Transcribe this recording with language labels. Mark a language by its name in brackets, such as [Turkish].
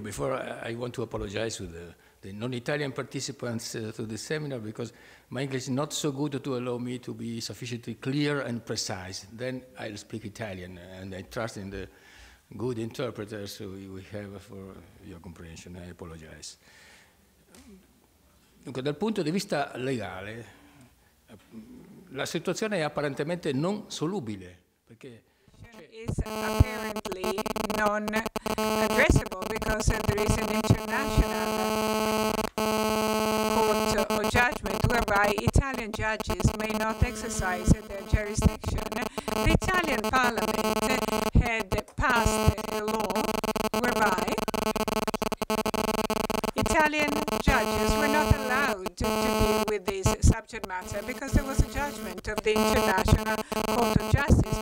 [English] Before I want to apologize to the non-Italian participants to the seminar, because my English is not so good to allow me to be sufficiently clear and precise. Then I'll speak Italian, and I trust in the good interpreters we have for your comprehension. I apologize. [Italian] Dunque, dal punto di vista legale, la situazione è apparentemente non solubile, perché [English] is apparently non-addressable because there is an international court or judgment whereby Italian judges may not exercise their jurisdiction. The Italian Parliament had passed a law whereby Italian judges were not allowed to deal with this subject matter because there was a judgment of the International Court of Justice.